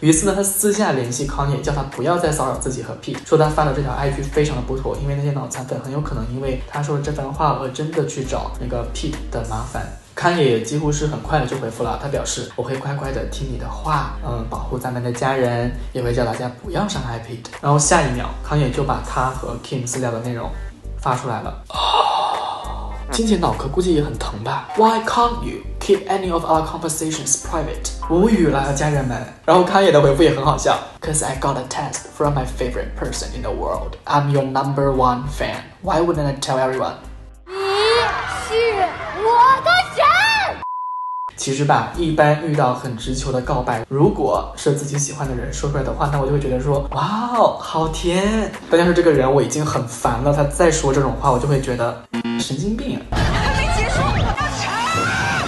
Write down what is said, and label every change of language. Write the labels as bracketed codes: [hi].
[zh] 于是呢，他私下联系 Kanye， 叫他不要再骚扰自己和 Pete， 说他发的这条 IG 非常的不妥，因为那些脑残粉很有可能因为他说了这番话而真的去找那个 Pete 的麻烦。康也几乎是很快的就回复了，他表示我会乖乖的听你的话，保护咱们的家人，也会叫大家不要伤害 Pete。然后下一秒康也就把他和 Kim 私聊的内容发出来了。金姐脑壳估计也很疼吧。 [en] Why can't you keep any of our conversations private？ [zh] 无语了家人们。然后康也的回复也很好笑， [en] Cause I got a text from my favorite person in the world， I'm your number one fan， Why wouldn't I tell everyone？ [zh] 你是我的家。其实吧，一般遇到很直球的告白，如果是自己喜欢的人说出来的话，那我就会觉得说哇好甜，但要是这个人我已经很烦了，他再说这种话，我就会觉得神经病。还没结束，我要